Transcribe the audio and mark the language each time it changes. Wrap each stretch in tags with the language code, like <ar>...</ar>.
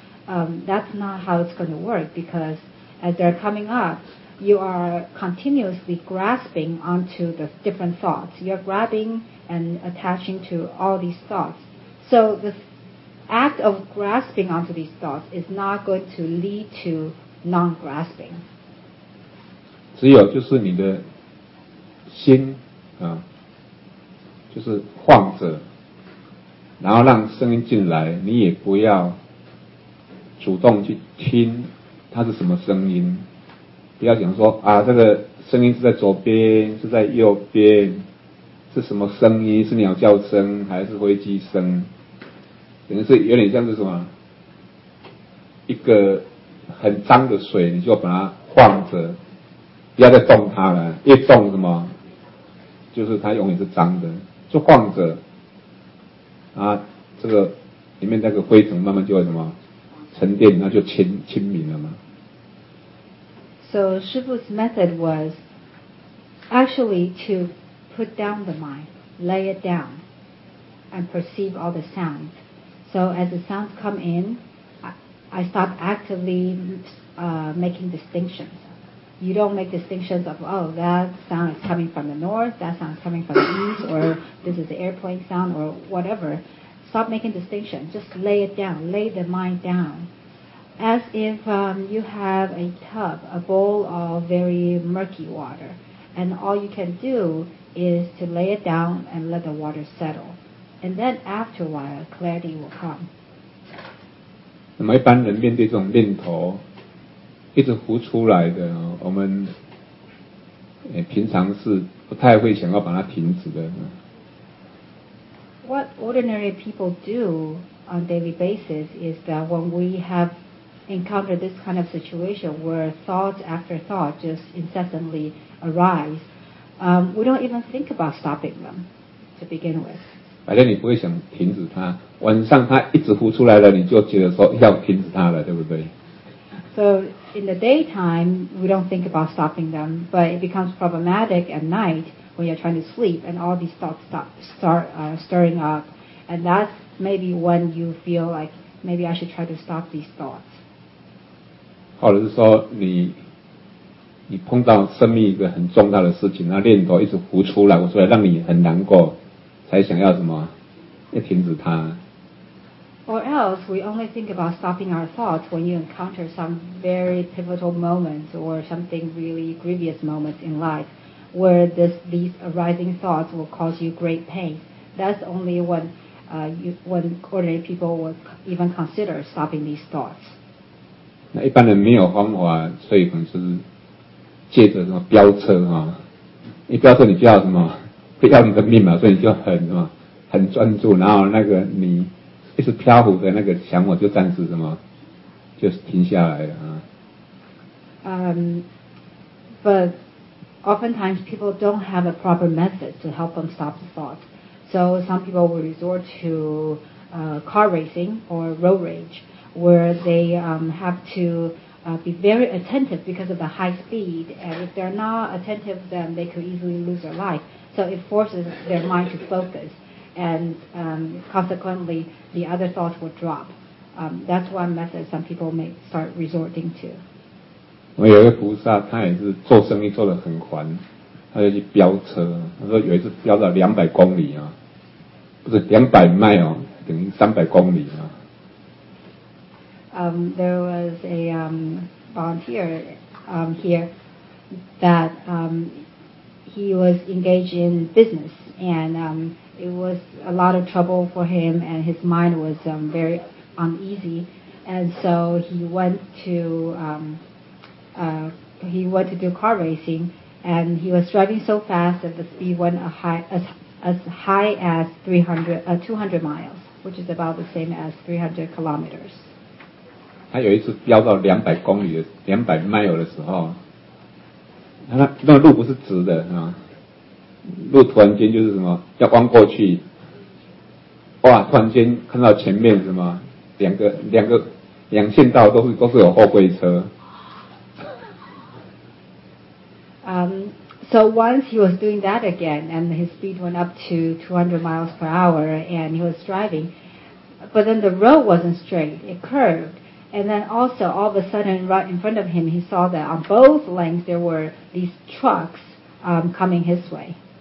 <en>That's not how it's going to work because as they're coming up, you are continuously grasping onto the different thoughts. You're grabbing and attaching to all these thoughts. So the act of grasping onto these thoughts is not going to lead to non-grasping.</en> <zh>只有就是你的心啊，就是晃着然后让声音进来你也不要主动去听它是什么声音不要想说啊，这个声音是在左边是在右边是什么声音是鸟叫声还是飞机声等于是有点像是什么一个很脏的水你就把它晃着不要再动它了一动什么就是它永远是脏的就晃着啊，这个里面那个灰尘慢慢就会什么沉淀，那就清明了嘛。</zh> <en>So, 师父's method was actually to put down the mind, lay it down, and perceive all the sounds. So, as the sounds come in, I stop actively making distinctions. You don't make distinctions of, oh, that sound is coming from the north, that sound is coming from the east, or this is the airplane sound, or whatever. Stop making distinction. Just lay it down. Lay the mind down. As if you have a tub, a bowl of very murky water. And all you can do is to lay it down and let the water settle. And then after a while, clarity will come.</en> <zh>那么一般人面对这种念头一直浮出来的我们平常是不太会想要把它停止的</zh> <en>What ordinary people do on a daily basis is that when we have encountered this kind of situation where thought after thought just incessantly arise, we don't even think about stopping them to begin with.</en> <zh>反正你不会想停止它，晚上它一直浮出来了，你就觉得说要停止它了，对不对？</zh> <en>So in the daytime, we don't think about stopping them, but it becomes problematic at night. When you're trying to sleep and all these thoughts start stirring up, and that's maybe when you feel like maybe I should try to stop these thoughts.</en> <zh>或者是说你碰到生命一个很重大的事情，那念头一直浮出来，我说让你很难过，才想要什么？要停止它。</zh> <en>Or else we only think about stopping our thoughts when you encounter some very pivotal moments or something really grievous moments in life. Where these arising thoughts will cause you great pain. That's only when ordinary people would even consider stopping these thoughts.</en> <zh>那一般人没有方法，所以可能就是借着什么飙车啊，一飙车你就要什么，不要你的命嘛，所以你就很什么很专注，然后那个你一直漂浮的那个想法就暂时什么就停下来了啊。</zh> <en>But. Oftentimes, people don't have a proper method to help them stop the thought. So some people will resort to car racing or road rage, where they have to be very attentive because of the high speed. And if they're not attentive, then they could easily lose their life. So it forces their mind to focus. And consequently, the other thoughts will drop. That's one method some people may start resorting to.</en> <zh>我有一个菩萨他也是做生意做得很环他就去飙车他说有一次飙到200公里啊不是200 mile 等于300公里啊。</zh> <en>There was a volunteer here that he was engaged in business, and it was a lot of trouble for him, and his mind was very uneasy, and so he went to do car racing, and he was driving so fast that the speed went as high as 200 miles, which is about the same as 300 kilometers.</en> <zh>他有一次飙到200 miles 的时候，那路不是直的啊，路突然间就是什么要弯过去，哇！突然间看到前面什么两线道都是有货柜车。</zh> <en>So once he was doing that again, and his speed went up to 200 miles per hour, and he was driving. But then the road wasn't straight, it curved. And then also, all of a sudden, right in front of him, he saw that on both lengths, there were these trucks coming his way.</en>